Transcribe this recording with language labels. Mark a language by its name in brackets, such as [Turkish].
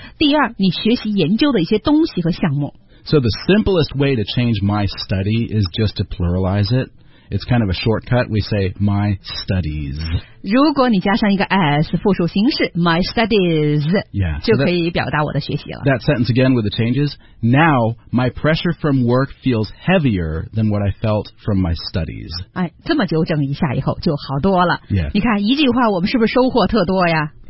[Chinese] 第二你学习研究的一些东西和项目 [English] So the simplest way to change my study is just to pluralize it. It's kind of a shortcut. We say my studies. [Chinese] 如果你加上一个 s 复数形式 [English] my studies, yeah, [Chinese] 就可以表达我的学习了。 [English] That sentence again with the changes. Now my pressure from work feels heavier than what I felt from my studies. [Chinese] 哎，这么纠正一下以后就好多了。 [English] Yeah. [Chinese] 你看一句话我们是不是收获特多呀？